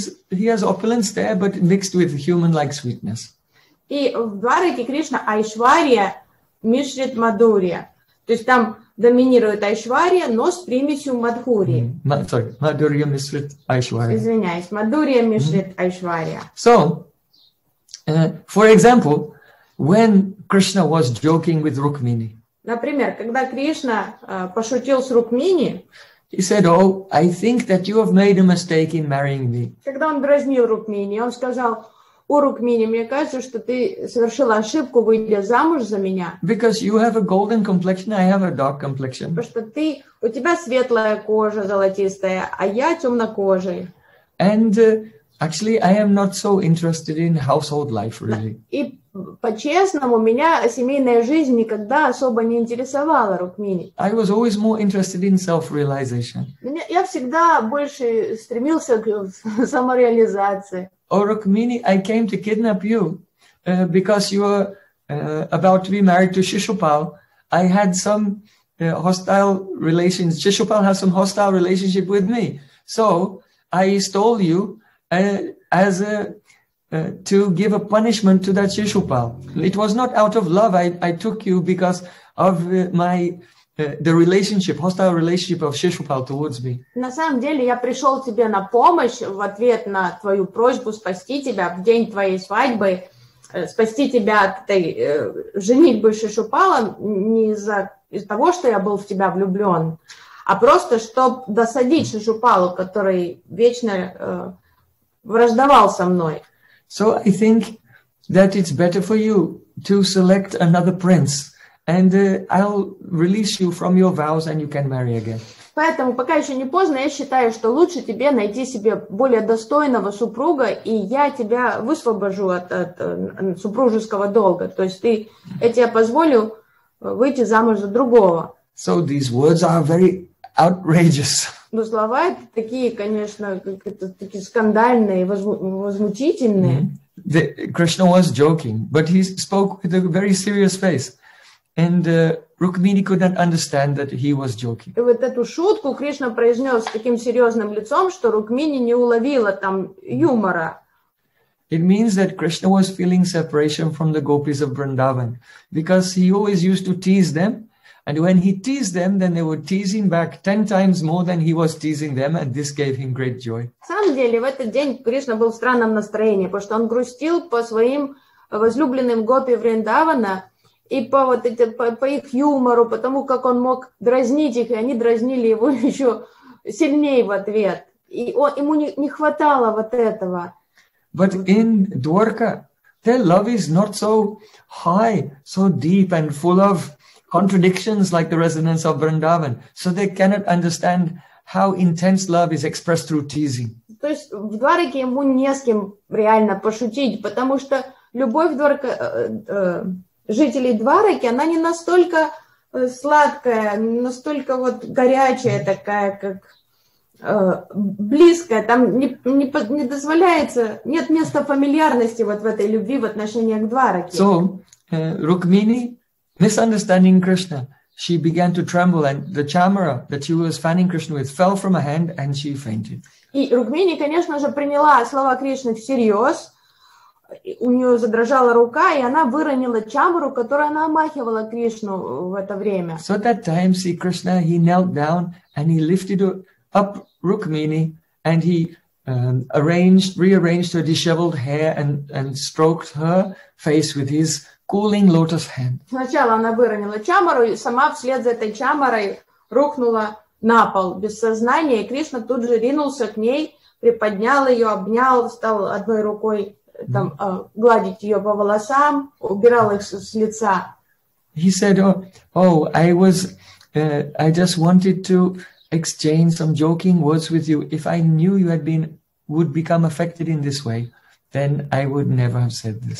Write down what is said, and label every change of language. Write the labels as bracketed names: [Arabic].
[English] He has opulence there, but mixed with human-like sweetness. [Russian] И в Двараке Кришна Айшвария Мишрит Мадурья. То есть там доминирует Айшвария, но с примесью Мадхурии. Мадурья Мишрит Айшвария. Извиняюсь, Мадурья Мишрит Айшвария. [English] So, for example, when Krishna was joking with Rukmini. [Russian] Например, когда Кришна пошутил с Рукмини, [English] he said, oh, I think that you have made a mistake in marrying me. [Russian] Когда он дразнил Рукмини, он сказал, о, Рукмини, мне кажется, что ты совершила ошибку, выйдя замуж за меня. [English] Because you have a golden complexion, I have a dark complexion. [Russian] Потому что ты, у тебя светлая кожа золотистая, а я темнокожий. [English] And actually, I am not so interested in household life, really. [Russian] И по-честному, меня семейная жизнь никогда особо не интересовала, Рукмини. [English] I was always more interested in self-realization. [Russian] Я всегда больше стремился к самореализации. [English] Oh, Rukmini, I came to kidnap you because you were about to be married to Shishupal. I had some hostile relations. Shishupal has some hostile relationship with me. So, I stole you to give a punishment to that Shishupal. It was not out of love. I took you because of the relationship, hostile relationship of Shishupal towards me. [Russian] На самом деле, я пришел тебе на помощь в ответ на твою просьбу спасти тебя в день твоей свадьбы, спасти тебя от этой женитьбы Шишупала не из-за того, что я был в тебя влюблен, а просто чтобы досадить Шишупалу, который вечно враждовал со мной. [English] So I think that it's better for you to select another prince, and I'll release you from your vows, and you can marry again. [Russian] Поэтому пока еще не поздно, я считаю, что лучше тебе найти себе более достойного супруга, и я тебя высвобожу от супружеского долга. То есть я тебе позволю выйти замуж за другого. [English] So these words are very outrageous. [Russian] Но слова такие, конечно, такие скандальные, возмутительные. Mm-hmm. [English] Krishna was joking, but he spoke with a very serious face. And Rukmini could not understand that he was joking. [Russian] И вот эту шутку Кришна произнес с таким серьезным лицом, что Рукмини не уловила там юмора. [English] It means that Krishna was feeling separation from the gopis of Vrindavan, because he always used to tease them, and when he teased them, then they would tease him back 10 times more than he was teasing them, and this gave him great joy. [Russian] На самом деле, в этот день Кришна был в странном настроении, потому что он грустил по своим возлюбленным гопи Вриндавана и по вот эти по их юмору, потому как он мог дразнить их, и они дразнили его еще сильнее в ответ. И ему не хватало вот этого. [English] But in Dwarka, their love is not so high, so deep and full of contradictions like the residents of Vrindavan. So they cannot understand how intense love is expressed through teasing. [Russian] То есть в Двараке ему не с кем реально пошутить, потому что любовь Дварка, жителей Двараки, она не настолько сладкая, не настолько вот горячая такая, как... близкая, там не дозволяется, нет места фамильярности вот в этой любви в отношении к Двараке. [English] So, Rukmini, misunderstanding Krishna, she began to tremble and the chamara that she was fanning Krishna with fell from her hand and she fainted. [Russian] И Рукмини, конечно же, приняла слова Кришны всерьез, у нее задрожала рука, и она выронила чамару, которую она омахивала Кришну в это время. [English] So that time, see, Krishna, he knelt down and he lifted up Rukmini, and he rearranged her disheveled hair and stroked her face with his cooling lotus hand. [Russian] Сначала она выронила чамару, и сама вслед за этой чамарой рухнула на пол без сознания, и Кришна тут же ринулся к ней, приподнял ее, обнял, стал одной рукой там гладить ее по волосам, убирал их с лица. [English] He said, I just wanted to exchange some joking words with you. If I knew you had been would become affected in this way, then I would never have said this.